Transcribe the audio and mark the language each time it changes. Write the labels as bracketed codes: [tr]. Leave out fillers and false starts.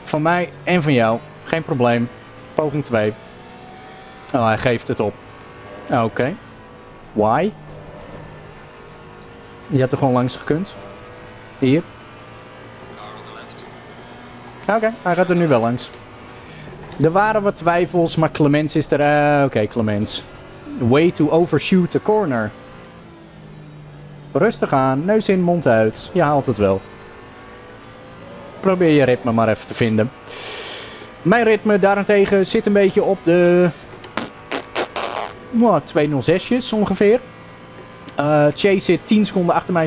[nl] Van mij en van jou. Geen probleem. Poging 2. Oh, hij geeft het op. Oké. Okay. [en] Why? [nl] Je had er gewoon langs gekund. Hier. Oké, okay, hij gaat er nu wel langs. Er waren wat twijfels, maar Clemens is er... Oké, Clemens. [en] Way to overshoot the corner. [nl] Rustig aan, neus in, mond uit. Je haalt het wel. Probeer je ritme maar even te vinden. Mijn ritme daarentegen zit een beetje op de... 206's ongeveer. Chase zit 10 seconden achter mij.